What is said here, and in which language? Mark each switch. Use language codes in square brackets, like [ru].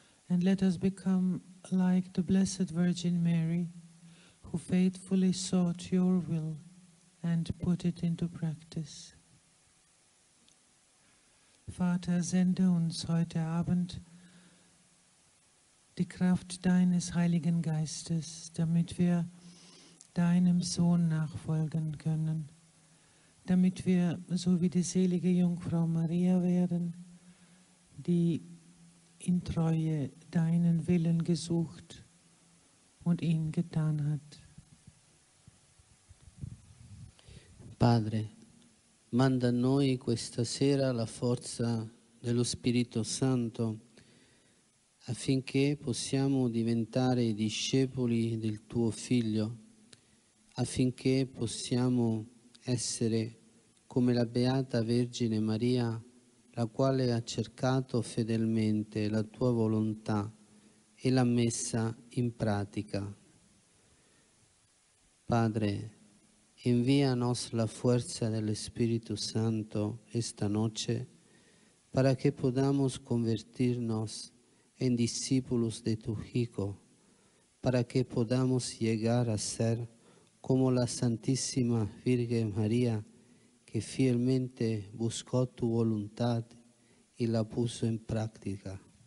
[en] And let us become like the Blessed Virgin Mary, who faithfully sought your will and put it into practice. [de] Vater, sende uns heute Abend die Kraft deines Heiligen Geistes, damit wir deinem Sohn nachfolgen können. Damit wir, so wie die selige Jungfrau Maria werden, die in Treue deinen Willen gesucht und ihn getan hat. [it] Padre, manda a noi questa sera la forza dello Spirito Santo affinché possiamo diventare discepoli del tuo Figlio, affinché possiamo essere come la Beata Vergine Maria, la quale ha cercato fedelmente la Tua volontà e l'ha messa in pratica. [es] Padre, envíanos la fuerza del Espíritu Santo esta noche para que podamos convertirnos en discípulos de Tu Hijo, para que podamos llegar a ser como la Santísima Virgen María, que fielmente buscó tu voluntad y la puso en práctica.